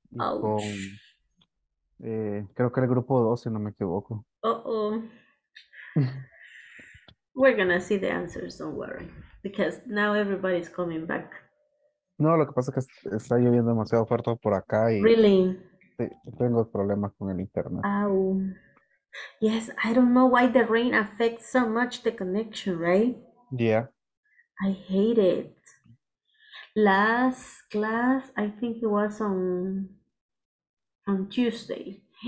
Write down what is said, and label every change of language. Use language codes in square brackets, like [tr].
[es] Y con, creo que era el grupo 12, no me equivoco. Uh-oh. [en] We're going to see the answers, don't worry. Because now everybody's coming back. [es] No, lo que pasa es que está lloviendo demasiado fuerte por acá. Y... [en] Really? [es] Tengo problemas con el internet. Oh. [en] Yes, I don't know why the rain affects so much the connection, right? Yeah. I hate it. Last class, I think it was on Tuesday.